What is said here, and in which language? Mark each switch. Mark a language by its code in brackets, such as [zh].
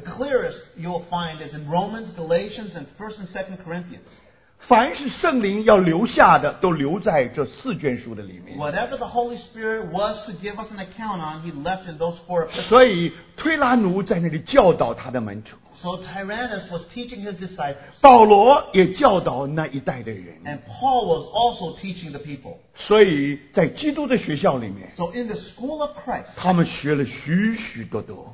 [en] clearest you'll find is in Romans, Galatians, and 1st and 2nd Corinthians. [zh] 凡是圣灵要留下的都留在这四卷书的里面。 [en] Whatever the Holy Spirit was to give us an account on, he left in those 4 epistles. [zh] 所以推拉奴在那里教导他的门徒。 [en] So Tyrannus was teaching his disciples. [zh] 保罗也教导那一代的人。 [en] And Paul was also teaching the people. [zh] 所以在基督的学校里面, [en] so in the school of Christ, [zh] 他们学了许许多多。